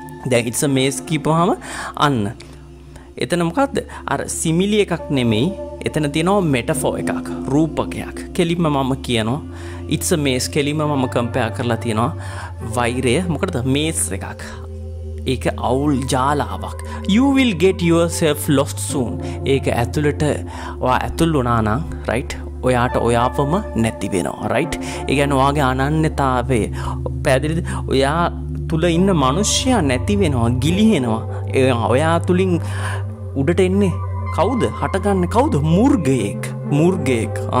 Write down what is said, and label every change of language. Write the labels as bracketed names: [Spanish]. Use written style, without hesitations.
[Sinhala] දැන් [English] it's a maze [Sinhala] කියපුවාම අන්න එතන මොකද්ද අර සිමිලි එකක් නෙමෙයි එතන තියෙනවා මෙටාෆෝ එකක් රූපකයක් කෙලින්ම මම කියනවා [English] it's a maze [Sinhala] කෙලිම මම කම්පයා කරලා තියෙනවා වෛරය මොකටද මේස් එකක් ඒක අවුල් ජාලාවක්. [English] You will get yourself lost soon. [Sinhala] ඒක ඇතුළට ඔයා ඇතුල් වුණා නම් right? ඔයාට ඔයාවම නැති වෙනවා right? ඒ කියන්නේ ඔයාගේ අනන්‍යතාවය පැහැදිලිද? ඔයා තුල ඉන්න මිනිස්සයා නැති වෙනවා, ගිලිහෙනවා. ඔයා තුලින් උඩට එන්නේ කවුද? හටගන්නේ කවුද? මුර්ගයෙක්. මුර්ගයෙක්.